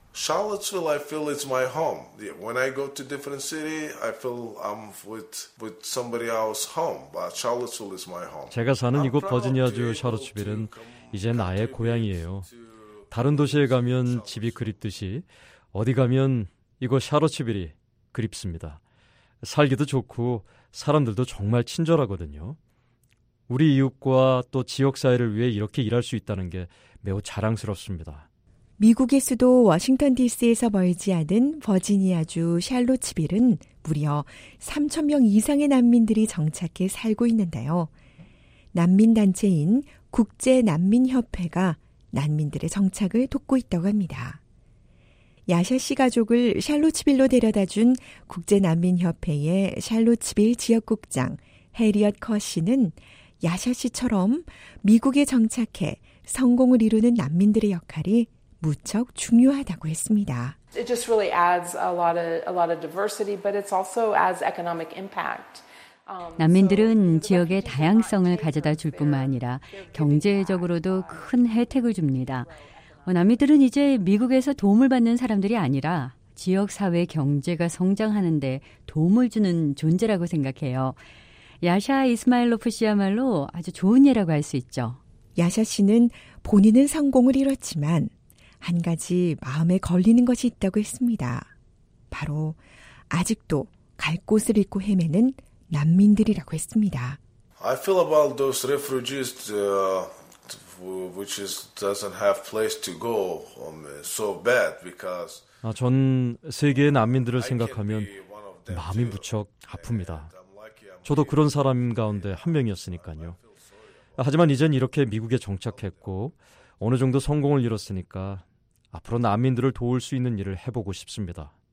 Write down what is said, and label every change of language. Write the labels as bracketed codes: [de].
[en] Charlottesville, I feel it's my home. When I go to different city, I feel I'm with somebody else's home. But Charlottesville is my home. [ko] 제가 사는 이곳 버지니아주 샬롯스빌은 이제 나의 고향이에요. 다른 도시에 가면 집이 그립듯이 어디 가면 이곳 샬롯스빌이 그립습니다. 살기도 좋고 사람들도 정말 친절하거든요. 우리 이웃과 또 지역 사회를 위해 이렇게 일할 수 있다는 게 매우 자랑스럽습니다. 미국의 수도 워싱턴 DC에서 멀지 않은 버지니아주 샬롯스빌은 무려 3천 명 이상의 난민들이 정착해 살고 있는데요. 난민단체인 국제난민협회가 난민들의 정착을 돕고 있다고 합니다. 야샤 씨 가족을 샬롯스빌로 데려다 준 국제난민협회의 샬롯스빌 지역국장 해리엇 커 씨는 야샤 씨처럼 미국에 정착해 성공을 이루는 난민들의 역할이 무척 중요하다고 했습니다. [en] It just really adds a lot of diversity, but it's also adds economic impact. [ko] 난민들은 지역의 다양성을 가져다 줄 뿐만 아니라 경제적으로도 큰 혜택을 줍니다. 남미들은 이제 미국에서 도움을 받는 사람들이 아니라 지역사회 경제가 성장하는 데 도움을 주는 존재라고 생각해요. 야샤 이스마일로프 씨야말로 아주 좋은 예라고 할 수 있죠. 야샤 씨는 본인은 성공을 이뤘지만 한 가지 마음에 걸리는 것이 있다고 했습니다. 바로 아직도 갈 곳을 잃고 헤매는 난민들이라고 했습니다. [en] I feel about those refugees which is doesn't have place to go so bad because [ko] 전 세계의 난민들을 생각하면 마음이 무척 아픕니다. 저도 그런 사람 가운데 한 명이었으니까요. 하지만 이젠 이렇게 미국에 정착했고 어느 정도 성공을 이뤘으니까 앞으로 난민들을 도울 수 있는 일을 해보고 싶습니다.